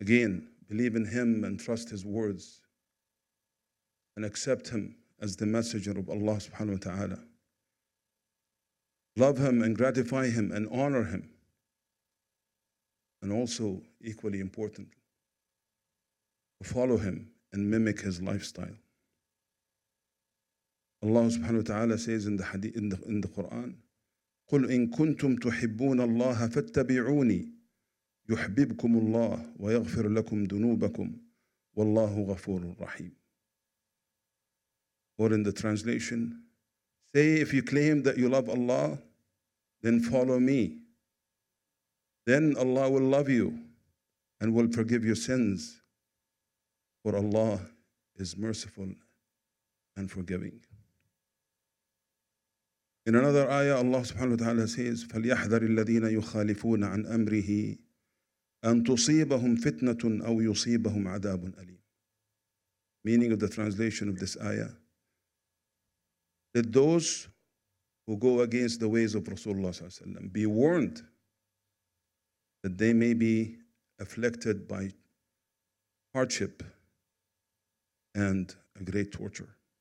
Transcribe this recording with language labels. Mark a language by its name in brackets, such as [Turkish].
[English] Again, believe in him and trust his words and accept him as the messenger of Allah subhanahu wa ta'ala. Love him and gratify him and honor him. And also, equally important, follow him and mimic his lifestyle. Allah subhanahu wa ta'ala says in the hadith, in the Quran, [Arabic] قُلْ إِن كُنْتُمْ تُحِبُّونَ اللَّهَ فَاتَّبِعُونِي يُحْبِبْكُمُ اللَّهُ وَيَغْفِرْ لَكُمْ دُنُوبَكُمْ وَاللَّهُ غَفُورٌ رَحِيمٌ. [English] Or in the translation, say, if you claim that you love Allah, then follow me. Then Allah will love you and will forgive your sins. For Allah is merciful and forgiving. In another ayah, Allah subhanahu wa ta'ala says, [Arabic] فَلْيَحْذَرِ الَّذِينَ يُخَالِفُونَ عَنْ أَمْرِهِ أَنْ تُصِيبَهُمْ فِتْنَةٌ أَوْ يُصِيبَهُمْ عَذَابٌ أَلِيمٌ. [English] Meaning of the translation of this ayah, that those who go against the ways of Rasulullah sallallahu alayhi wa sallam, be warned that they may be afflicted by hardship and a great torture.